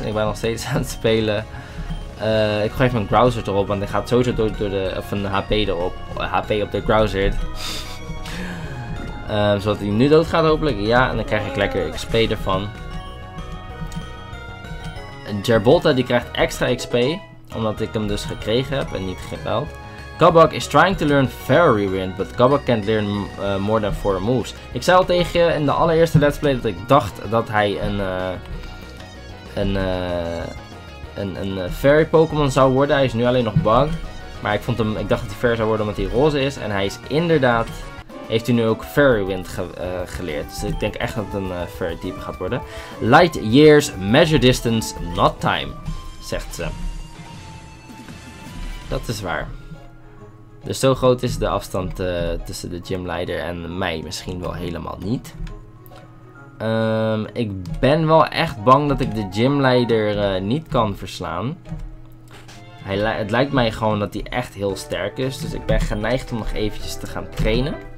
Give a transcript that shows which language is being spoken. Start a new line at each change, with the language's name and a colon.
Dutch: En ik ben nog steeds aan het spelen. Ik gooi even een Grouser erop, want hij gaat sowieso door de... Of een HP erop. HP op de Grouser. zodat hij nu dood gaat hopelijk. Ja, en dan krijg ik lekker XP ervan. Jarbolta die krijgt extra XP, omdat ik hem dus gekregen heb en niet gebeld.
English: Kabak is trying to learn Fairy Wind, but Kabak can't learn more than 4 moves.
Dutch: Ik zei al tegen je in de allereerste let's play dat ik dacht dat hij een Fairy Pokémon zou worden. Hij is nu alleen nog bug, maar ik dacht dat hij Fairy zou worden omdat hij roze is. En hij is inderdaad, heeft hij nu ook Fairy Wind geleerd. Dus ik denk echt dat het een Fairy type gaat worden.
English: Light years, measure distance, not time,
Dutch: zegt ze. Dat is waar. Dus zo groot is de afstand tussen de gymleider en mij misschien wel helemaal niet. Ik ben wel echt bang dat ik de gymleider niet kan verslaan. Het lijkt mij gewoon dat hij echt heel sterk is. Dus ik ben geneigd om nog eventjes te gaan trainen.